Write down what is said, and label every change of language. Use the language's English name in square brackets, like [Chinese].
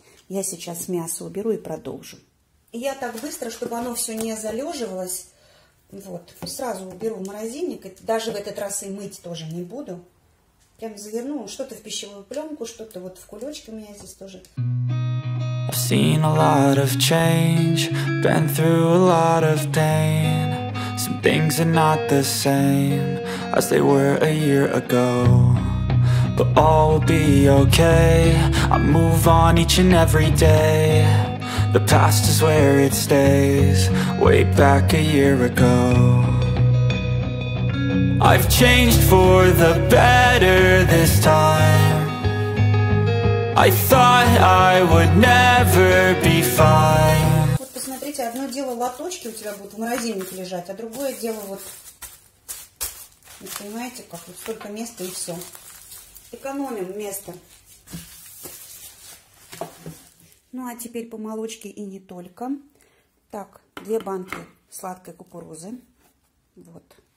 [Russian] Я сейчас мясо уберу и продолжу. Я так быстро, чтобы оно все не залеживалось, вот, сразу уберу в морозильник. Даже в этот раз и мыть тоже не буду. Прям заверну что-то в пищевую пленку, что-то вот в кулечке у меня здесь тоже. [English] I've seen a lot of change, been through a lot of pain. Some things are not the same as they were a year ago. But all will be okay, I move on each and every day. The past is where it stays, way back a year ago. I've changed for the better this time. I thought I would never be fine. [Russian] Вот посмотрите, одно дело лоточки у тебя будут в морозильнике лежать, а другое дело вот, вы понимаете, как вот столько места и все. Экономим место. Ну, а теперь по молочке и не только. Так, две банки сладкой кукурузы. Вот.